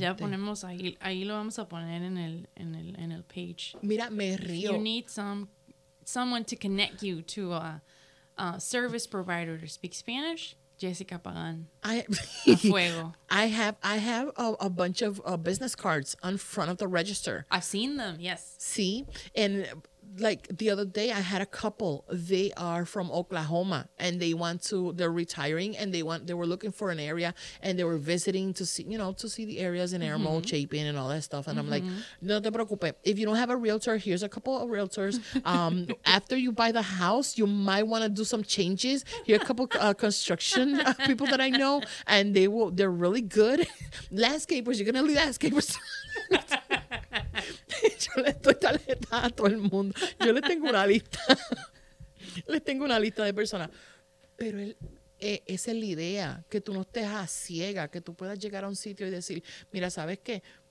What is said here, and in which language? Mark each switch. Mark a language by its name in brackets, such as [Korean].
[Spanish] Ya ponemos ahí lo vamos a poner en el page. Mira, me río. [English] You need someone to connect you to a service provider to speak Spanish, Jessica Pagan. [Spanish] Fuego. [English] I have a bunch of business cards on front of the register. I've seen them, yes. See? And like the other day I had a couple. They are from Oklahoma and they're retiring and they were looking for an area and they were visiting to see, you know, to see the areas in Hermo, Chapin and all that stuff. And I'm like, [Spanish] no te preocupes. [English] If you don't have a realtor, here's a couple of realtors. after you buy the house, you might want to do some changes. Here are a couple construction people that I know and they're really good. Landscapers, you're gonna need landscapers. [Spanish] Yo le doy tarjeta a todo el mundo. Yo le tengo una lista. Les tengo una lista de personas. Pero esa es la idea, que tú no estés a ciega, que tú puedas llegar a un sitio y decir, mira, ¿sabes qué?